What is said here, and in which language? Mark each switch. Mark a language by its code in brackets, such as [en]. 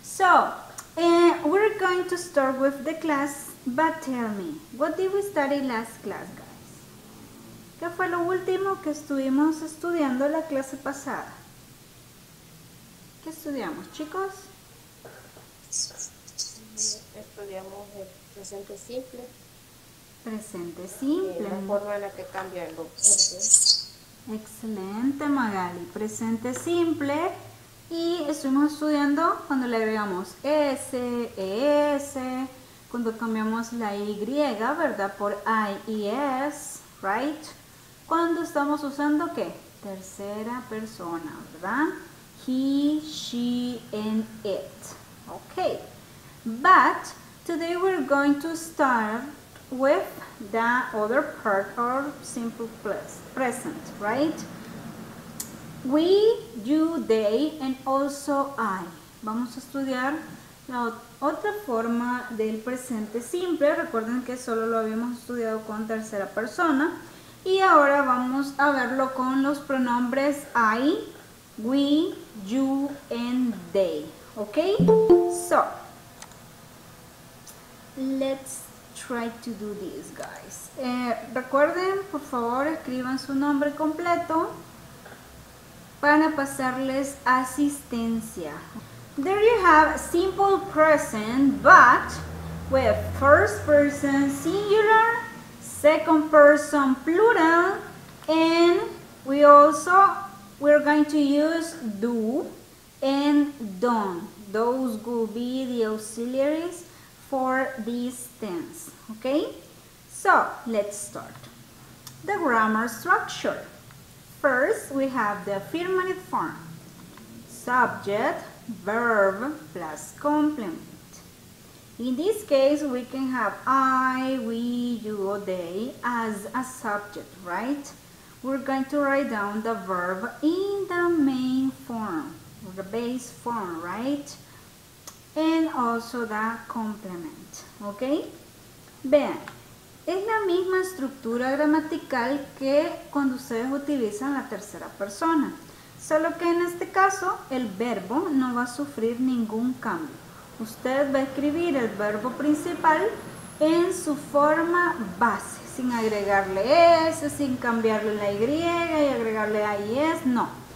[en] So, we're going to start with the class, but tell me, what did we study last class, guys? [es] ¿Qué fue lo último que estuvimos estudiando la clase pasada? ¿Qué estudiamos, chicos? Estudiamos el presente simple. Presente simple. La forma en la que cambia el objeto. Excelente, Magali. Presente simple. Y estuvimos estudiando cuando le agregamos S, ES, cuando cambiamos la Y, ¿verdad? Por I, E, S, right? Cuando estamos usando, ¿qué? Tercera persona, ¿verdad? [en] He, she, and it. [es] Ok. [en] But, today we're going to start with the other part or simple present, right? We, you, they, and also I. [es] Vamos a estudiar la otra forma del presente simple. Recuerden que solo lo habíamos estudiado con tercera persona. Y ahora vamos a verlo con los pronombres [en] I, we, you, and they. [es] ¿Ok? [en] So, let's try to do this, guys. [es] Recuerden, por favor, escriban su nombre completo para pasarles asistencia. [en] There you have simple present, but with first person singular, second person plural, and we're going to use do and don't. Those will be the auxiliaries for this tense, okay? So, let's start. The grammar structure. First, we have the affirmative form. Subject, verb, plus complement. In this case, we can have I, we, you, or they as a subject, right? We're going to write down the verb in the main form, or the base form, right? And also the complement, ¿ok? [es] Vean, es la misma estructura gramatical que cuando ustedes utilizan la tercera persona. Solo que en este caso, el verbo no va a sufrir ningún cambio. Usted va a escribir el verbo principal en su forma base, sin agregarle S, sin cambiarle la Y y agregarle A y S, no.